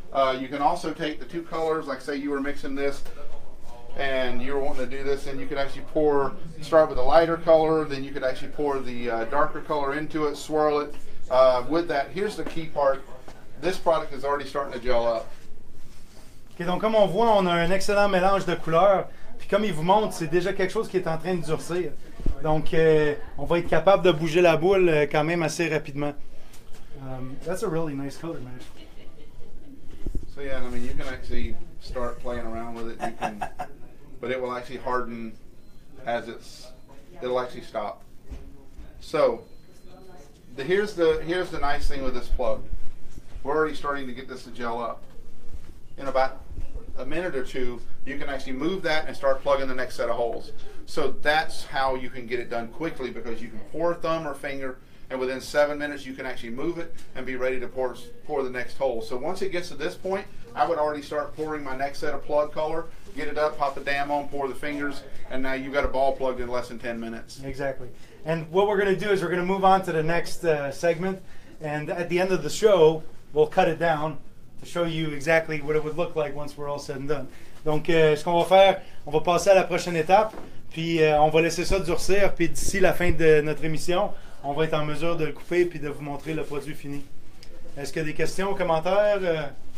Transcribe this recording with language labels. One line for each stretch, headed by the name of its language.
English: You can also take the two colors, like say you were mixing this and you're wanting to do this, and you could actually pour, start with a lighter color, then you could actually pour the darker color into it, swirl it. With that, here's the key part. This product is already starting to gel up.
French: Okay, donc comme on voit, on a un excellent mélange de couleurs. Puis comme il vous montre, c'est déjà quelque chose qui est en train de durcir. Donc, on va être capable de bouger la boule quand même assez rapidement.
English: That's a really nice color, man. So yeah, I mean, you can actually start playing around with it. You can, but it will actually harden as it'll actually stop. So, here's the nice thing with this plug. We're already starting to get this to gel up. In about a minute or two, you can actually move that and start plugging the next set of holes. So that's how you can get it done quickly, because you can pour thumb or finger, and within 7 minutes you can actually move it and be ready to pour the next hole. So once it gets to this point, I would already start pouring my next set of plug color, get it up, pop the dam on, pour the fingers, and now you've got a ball plugged in less than 10 minutes. Exactly. And what we're gonna do is we're gonna move on to the next segment, and at the end of the show, we'll cut it down to show you exactly what it would look like once we're all said and done.
French: Donc, ce qu'on va faire, on va passer à la prochaine étape, puis on va laisser ça durcir, puis d'ici la fin de notre émission, on va être en mesure de le couper puis de vous montrer le produit fini. Est-ce qu'il y a des questions ou commentaires?